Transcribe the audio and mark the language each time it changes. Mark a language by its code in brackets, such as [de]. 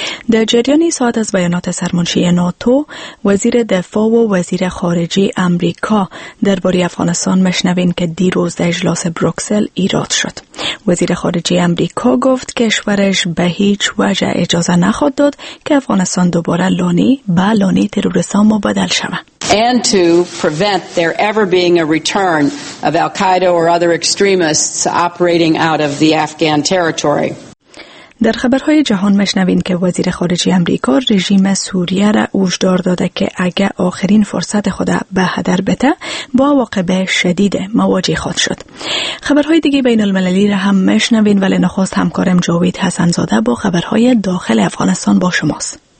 [fa] در جریان ساعت از بیانات سرمنشی ناتو، وزیر دفاع و وزیر خارجه آمریکا درباره افغانستان مشنوین که دیروز در اجلاس بروکسل ایراد شد. وزیر خارجه آمریکا گفت کشورش به هیچ وجه اجازه نخواهد داد که افغانستان دوباره لانه با لانه تروریستان مبدل شود. [en] And to prevent there ever being a return of Al-Qaeda or other extremists operating out of the Afghan territory. [fa] در خبرهای جهان مشنوین که وزیر خارجه آمریکا رژیم سوریه را هشدار داده که اگر آخرین فرصت خود به هدر بده با عواقب شدید مواجه خواهد شد. خبرهای دیگه بین المللی را هم مشنوین، ولی نخست همکارم جاوید حسنزاده با خبرهای داخل افغانستان با شماست.